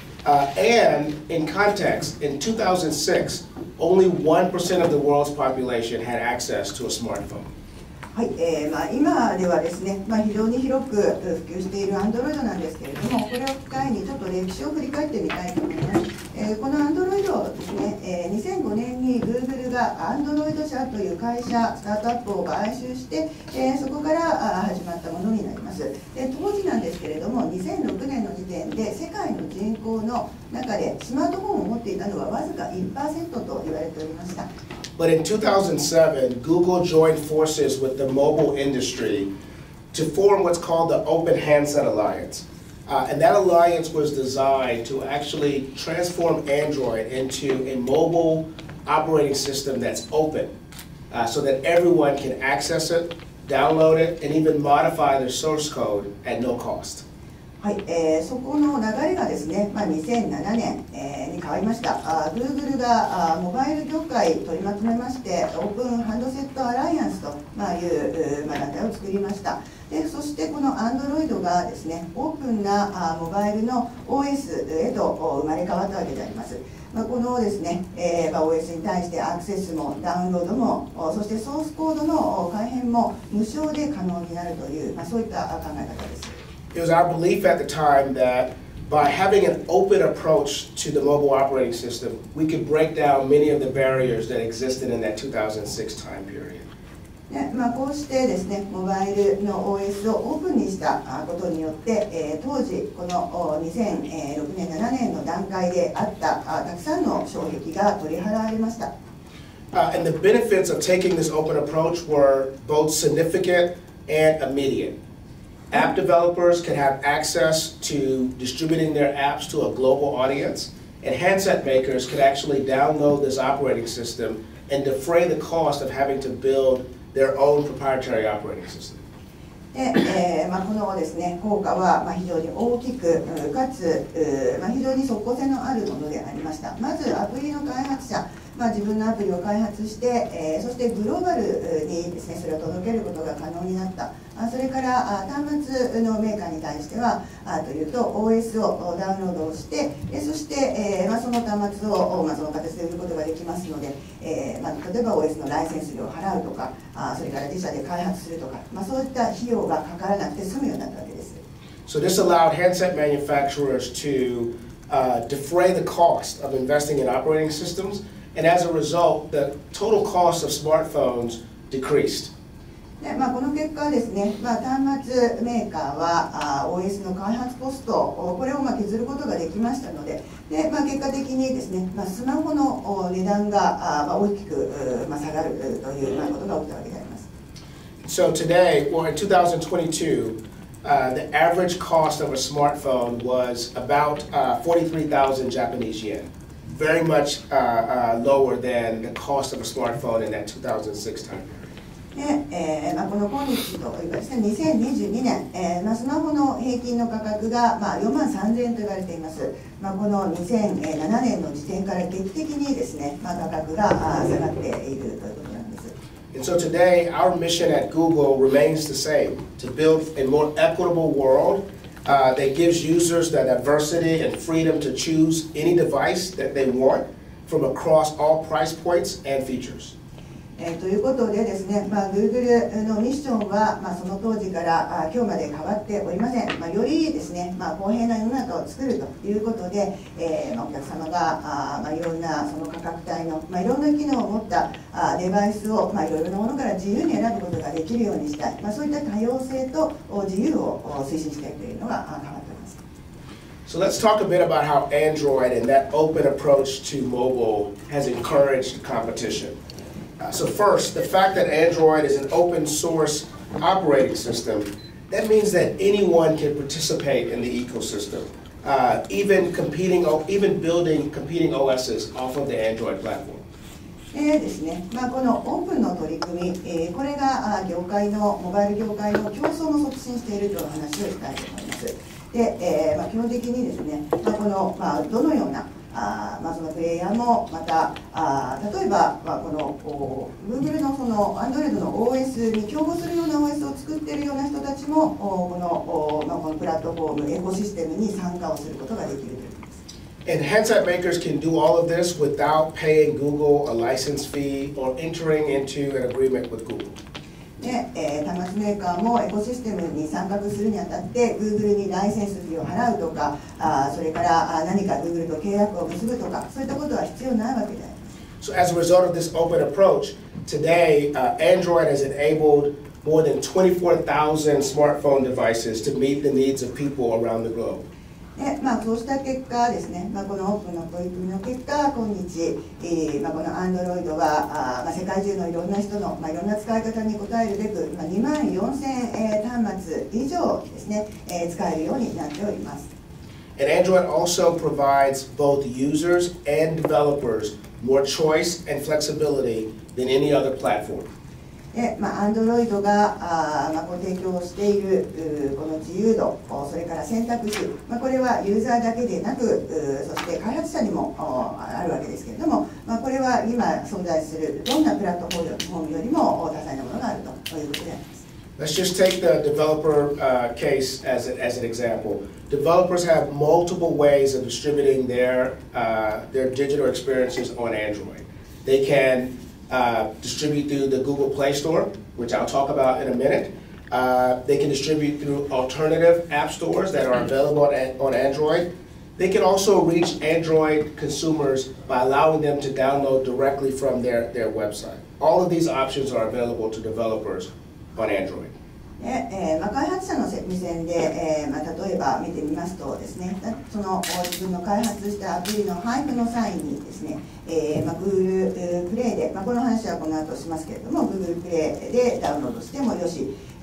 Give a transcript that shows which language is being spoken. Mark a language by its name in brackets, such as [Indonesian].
[English] And in context, in 2006, only 1% of the world's population had access to a smartphone. [Japanese] はい、今ではですね、非常に広く普及しているアンドロイドなんですけれども、これを機会にちょっと歴史を振り返ってみたいと思います。このアンドロイドですね、2005年に Google がアンドロイド社という会社、スタートアップを買収して、そこから始まったものになります。当時なんですけれども、2006年の時点で世界の人口の中でスマートフォンを持っていたのはわずか 1% と言われておりました。 [English] But in 2007, Google joined forces with the mobile industry to form what's called the Open Handset Alliance. And that alliance was designed to actually transform Android into a mobile operating system that's open, so that everyone can access it, download it, and even modify their source code at no cost. [Japanese] はい、そこの流れがですね、2007年、に変わりました。 Google がモバイル業界取りまとめまして、オープンハンドセットアライアンスと、いう、団体を作りました。で、そしてこの Android がですね、オープンなモバイルの OS へと生まれ変わったわけであります。このですね、OS に対してアクセスもダウンロードも、そしてソースコードの改変も無償で可能になるという、そういった考え方です。 [English] It was our belief at the time that by having an open approach to the mobile operating system, we could break down many of the barriers that existed in that 2006 time period. [Japanese] こうしてですね、モバイルの OS をオープンにしたことによって、当時、この2006年、7年の段階であったたくさんの障壁が取り払われました。 [English] And the benefits of taking this open approach were both significant and immediate. App developers can have access to distributing their apps to a global audience, and handset makers can actually download this operating system and defray the cost of having to build their own proprietary operating system. [Japanese] このですね、効果は非常に大きく、かつ非常に即効性のあるものでありました。まずアプリの開発者、自分のアプリを開発して、そしてグローバルにですね、それを届けることが可能になった。それから端末のメーカーに対してはというと OS をダウンロードをしてそしてその端末をその形で売ることができますので例えば OS のライセンス料を払うとかそれから自社で開発するとかそういった費用がかからなくて済むようになったわけです。 [English] So this allowed handset manufacturers to defray the cost of investing in operating systems and as a result the total cost of smartphones decreased. [Japanese] で、まあ、この結果ですね、まあ、端末メーカーは OS の開発コスト、これを削ることができましたの で、 で、まあ、結果的にですね、まあ、スマホの値段が大きく下がるということが起きたわけであります。 [English] So today, or in 2022,the average cost of a smartphone was about 43,000 Japanese yen, very much lower than the cost of a smartphone in that 2006 time. [Japanese] で、まあ、この今日というかですね、2022年、まあ、スマホの平均の価格が、まあ、4万3000円と言われています。まあ、この2007年の時点から劇的にですね、まあ、価格が下がっているということです。 [English] And so today, our mission at Google remains the same, to build a more equitable world that gives users the diversity and freedom to choose any device that they want from across all price points and features. [Japanese] ということでですね、まあ、Google のミッションは、まあ、その当時から今日まで変わっておりません。まあ、よりですね、まあ、公平な世の中を作るということで、まあ、お客様が、まあ、いろんなその価格帯の、まあ、いろんな機能を持ったデバイスを、まあ、いろいろなものから自由に選ぶことができるようにしたい、まあ、そういった多様性と自由を推進したいというのが変わっています。 [English] So let's talk a bit about how Android and that open approach to mobile has encouraged competition. So first, the fact that Android is an open source operating system, that means that anyone can participate in the ecosystem, even building competing OSs off of the Android platform. [Japanese] でですね、まあ、このオープンの取り組み、これが業界のモバイル業界の競争も促進しているという話をしたいと思います。で、まあ、基本的にですね、まあ、この、まあ、どのような、まあ、そのプレイヤーも、また、例えば、まあ、この Google のその Android の OS に競合するような OS を作っているような人たちも、この、まあ、このプラットフォーム、エコシステムに参加をすることができる。 [English] And handset makers can do all of this without paying Google a license fee or entering into an agreement with Google. [Japanese] で、端末メーカーもエコシステムに参画するにあたって、Google にライセンス費を払うとか、それから何か Google と契約を結ぶとか、そういったことは必要ないわけです。 [English] So as a result of this open approach, today, Android has enabled more than 24,000 smartphone devices to meet the needs of people around the globe. [Japanese] でまあ、そうした結果ですね、まあ、このオープンの取り組みの結果、今日、まあ、このアンドロイドは、まあ、世界中のいろんな人の、まあ、いろんな使い方に応えるべく、まあ、2万4000、端末以上ですね、使えるようになっております。 [English] And Android also provides both users and developers more choice and flexibility than any other platform. [Japanese] で、まあ、Android が、まあ、ご提供しているこの自由度、それから選択肢、まあ、これはユーザーだけでなく、そして開発者にもあるわけですけれども、まあ、これは今存在するどんなプラットフォームよりも多彩なものがあるということであります。 [English] Let's just take the developer case as an example. Developers have multiple ways of distributing their digital experiences on Android. They canDistribute through the Google Play Store, which I'll talk about in a minute. They can distribute through alternative app stores that are available on Android. They can also reach Android consumers by allowing them to download directly from their website. All of these options are available to developers on Android. [Japanese] でまあ、開発者の目線で、まあ、例えば見てみますとですね、その自分の開発したアプリの配布の際にですね、まあ、Google Play で、まあ、この話はこの後しますけれども Google Play でダウンロードしてもよし、